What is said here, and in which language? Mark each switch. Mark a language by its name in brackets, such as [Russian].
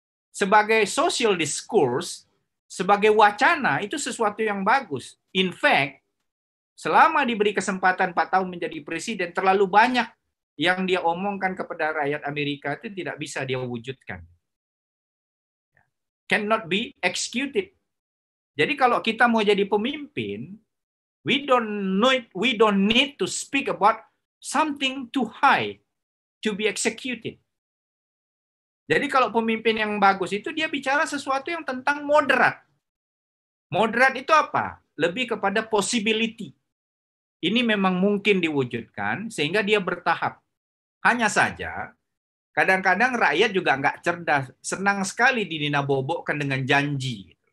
[Indonesian] Sebagai social discourse, sebagai wacana, itu sesuatu yang bagus. [English] In fact, [Indonesian] selama diberi kesempatan 4 tahun menjadi presiden, terlalu banyak yang dia omongkan kepada rakyat Amerika itu tidak bisa dia wujudkan. [English] Cannot be executed. [Indonesian] Jadi kalau kita mau jadi pemimpin, [English] we don't need to speak about something too high to be executed. [Indonesian] Jadi kalau pemimpin yang bagus itu dia bicara sesuatu yang tentang moderat. Moderat itu apa? Lebih kepada possibility. Ini memang mungkin diwujudkan sehingga dia bertahap. Hanya saja kadang-kadang rakyat juga enggak cerdas, senang sekali dinabobokkan dengan janji.